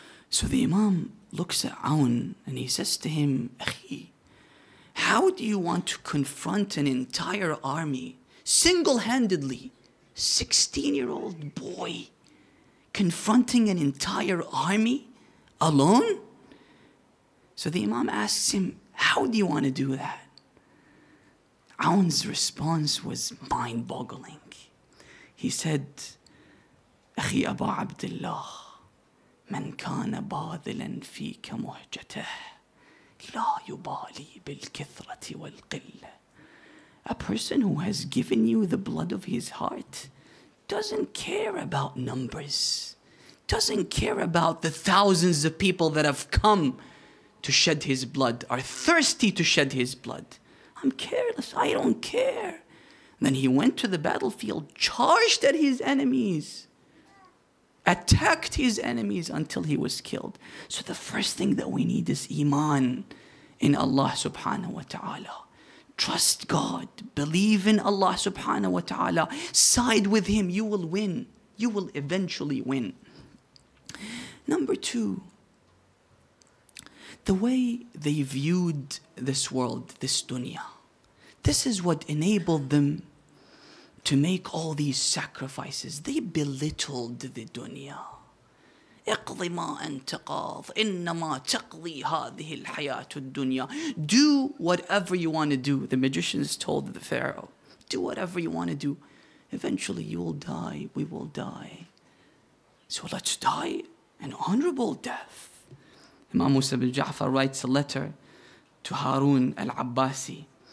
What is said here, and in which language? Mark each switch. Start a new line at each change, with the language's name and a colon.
English: So the Imam looks at Aun and he says to him, "Akhi, how do you want to confront an entire army single-handedly? 16-year-old boy confronting an entire army? Alone?" So the Imam asks him, "How do you want to do that?" Aun's response was mind-boggling. He said,
Arabic: "أخي أبا عبد الله من كان باذلا فيك مهجته لا يبالي بالكثرة والقلة."
English: A person who has given you the blood of his heart doesn't care about numbers. Doesn't care about the thousands of people that have come to shed his blood, are thirsty to shed his blood. I'm careless, I don't care. And then he went to the battlefield, charged at his enemies, attacked his enemies until he was killed. So the first thing that we need is iman in Allah subhanahu wa ta'ala. Trust God, believe in Allah subhanahu wa ta'ala, side with him, you will win. You will eventually win. Number two, the way they viewed this world, this dunya, this is what enabled them to make all these sacrifices. They belittled the dunya.
Arabic: اقضي ما انت قاض انما تقضي هذه الحياة الدنيا.
English: Do whatever you want to do, the magicians told the Pharaoh. Do whatever you want to do. Eventually you will die, we will die. So let's die an honorable death. Imam Musa bin Ja'far writes a letter to Harun al-Abbasi.